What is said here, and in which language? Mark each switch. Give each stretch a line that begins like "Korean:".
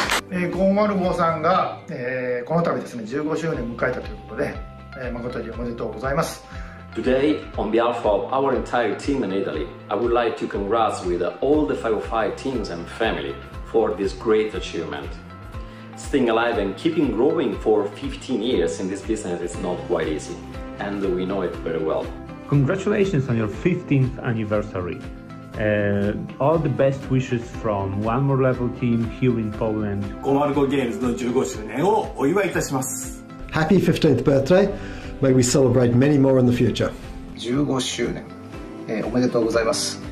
Japanese: 505さんが、この度ですね、15周年を迎えたということで、誠におめでとうございます。
English: Today, on behalf of our entire team in Italy, I would like to congratulate with all the 505 teams and family for this great achievement. Staying alive and keeping growing for 15 years in this business is not quite easy, and we know it very well. Congratulations on your 15th anniversary. All the best wishes from One More Level team here in Poland.
Japanese: 505 Games の15周年をお祝いいたします。
English: Happy 15th birthday. May we celebrate many more in the future.
Japanese: 15周年、おめでとうございます。